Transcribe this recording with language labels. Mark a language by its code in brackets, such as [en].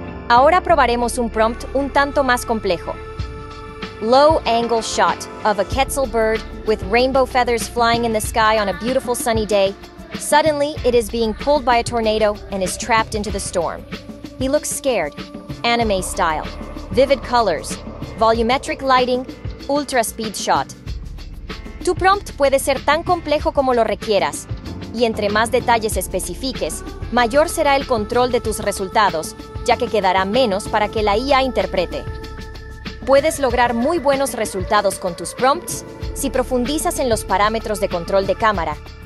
[es] Ahora probaremos un prompt un tanto más complejo. [en] Low angle shot of a Quetzal bird with rainbow feathers flying in the sky on a beautiful sunny day, Suddenly, it is being pulled by a tornado and is trapped into the storm. He looks scared, anime style. Vivid colors, volumetric lighting, ultra speed shot. [es] Tu prompt puede ser tan complejo como lo requieras, y entre más detalles especifiques, mayor será el control de tus resultados, ya que quedará menos para que la IA interprete. Puedes lograr muy buenos resultados con tus prompts si profundizas en los parámetros de control de cámara.